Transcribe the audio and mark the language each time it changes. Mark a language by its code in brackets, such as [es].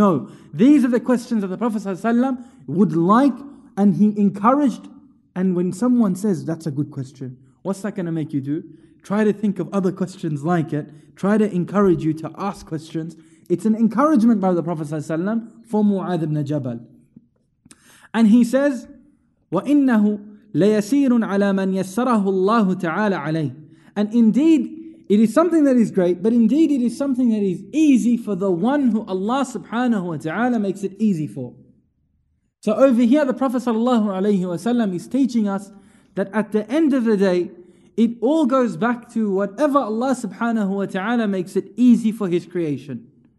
[en] No, these are the questions that the Prophet ﷺ would like, and he encouraged. And when someone says, that's a good question, what's that going to make you do? Try to think of other questions like it. Try to encourage you to ask questions. It's an encouragement by the Prophet ﷺ for Mu'adh ibn Jabal. [ar] And he says, وَإِنَّهُ لَيَسِيرٌ عَلَى مَنْ يَسَّرَهُ اللَّهُ تَعَالَى عَلَيْهِ. [en] And indeed, it is something that is great, but indeed it is something that is easy for the one who Allah subhanahu wa ta'ala makes it easy for. So over here, the Prophet sallallahu alayhi wa sallam is teaching us that at the end of the day, it all goes back to whatever Allah subhanahu wa ta'ala makes it easy for His creation.